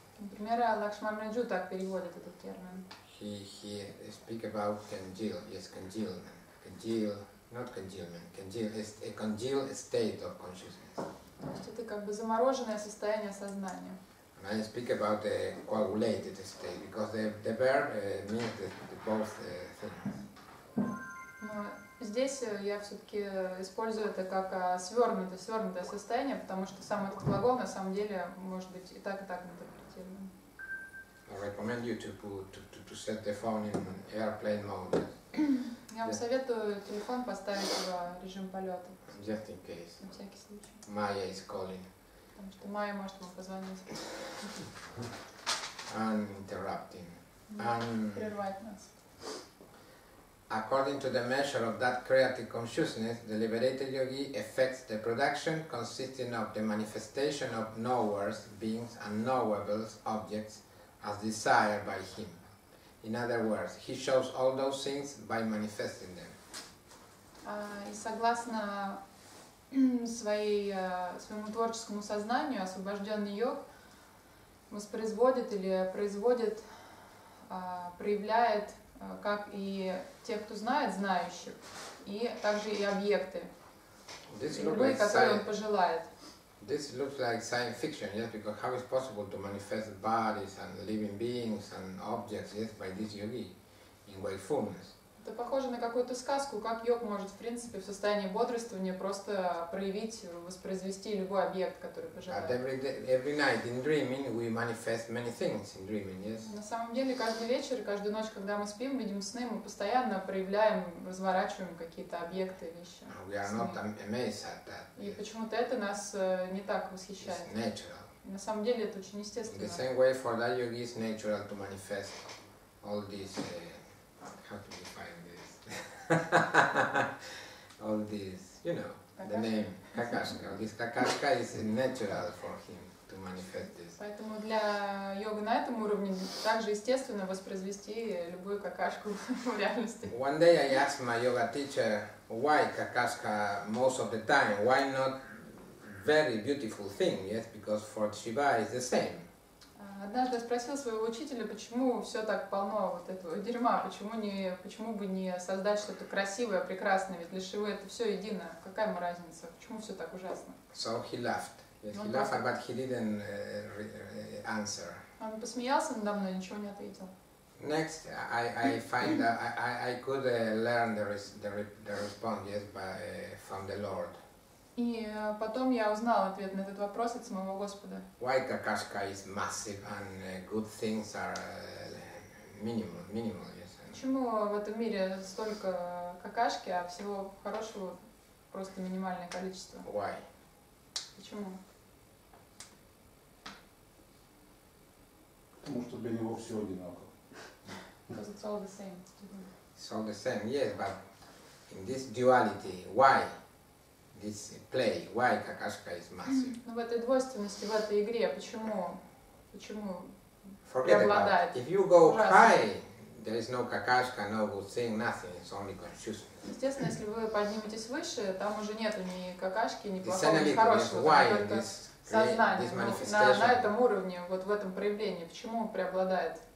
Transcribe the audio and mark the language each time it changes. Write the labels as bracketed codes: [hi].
[ru] Например, Лакшманаджу так переводит этот термин. [en] He speak about congeal, yes, congealment. Congeal, not congealment. Congeal is a congealed state of consciousness. [ru] То есть это как бы замороженное состояние сознания. [en] And I speak about a coagulated state, because the verb means the both things. [ru] Здесь я все-таки использую это как свернутое состояние, потому что сам этот глагол на самом деле может быть и так интерпретирован. [en] I recommend you to set the phone in airplane mode. [ru] Я вам советую телефон поставить в режим полета. [en] Just in case. [ru] На всякий случай. [en] Maya is calling. [ru] Потому что Maya может вам позвонить. [en] And interrupting. [ru] Прервать нас. [en] According to the measure of that creative consciousness, the liberated yogi effects the production consisting of the manifestation of knowers, beings, and knowables, objects, as desired by him. In other words, he shows all those things by manifesting them. [ru] И согласно своему творческому сознанию освобожденный йог воспроизводит или производит, проявляет, как и те, кто знает, знающих, и также и объекты, любые, которые он пожелает. [en] This looks like science fiction, yes, because how is possible to manifest bodies and living beings and objects, yes, by this yogi in wakefulness? [ru] Это похоже на какую-то сказку, как йог может, в принципе, в состоянии бодрствования просто проявить, воспроизвести любой объект, который пожелает. [en] Every night in dreaming we manifest many things in dreaming, yes? [ru] На самом деле, каждый вечер, каждую ночь, когда мы спим, видим сны, мы постоянно проявляем, разворачиваем какие-то объекты, вещи. [en] We are not amazed at that. [ru] И почему-то это нас не так восхищает. [en] It's natural. [ru] На самом деле, это очень естественно. [en] In the same way for that yogi is natural to manifest all these... how to define this? All this, you know, Kakashka. The name Kakashka. This Kakashka is natural for him to manifest this. [ru] Поэтому для йоги на этом уровне также естественно воспроизвести любую какашку в реальности. [en] One day I asked my yoga teacher why Kakashka most of the time, why not very beautiful thing? Yes, because for Shiva is the same. [ru] Однажды я спросил своего учителя, почему все так полно вот этого дерьма, почему бы не создать что-то красивое, прекрасное, ведь для Шивы это все едино, какая ему разница, почему все так ужасно? [en] So he laughed. He laughed, but he didn't answer. [ru] Он посмеялся надо мной, ничего не ответил. [en] Next, I find that I could learn the response, yes, from the Lord. [ru] И потом я узнал ответ на этот вопрос от самого Господа. [en] Why Kakashka is massive and good things are minimal, yes. [ru] Почему в этом мире столько какашки, а всего хорошего просто минимальное количество? [en] Why? [ru] Почему? Потому что для него все одинаково. [en] Because it's all the same. It's all the same, yes, but in this duality, why? This play, why Kakashka is massive? [ru] Ну в этой двойственности, в этой игре, почему преобладает? [en] If you go high, there is no Kakashka, no good thing, nothing. It's only consciousness. [ru] Естественно, если вы подниметесь выше, там уже нету ни Какашки, ни плохого, ни хорошего, только сознание. На этом уровне, вот в этом проявлении, почему преобладает?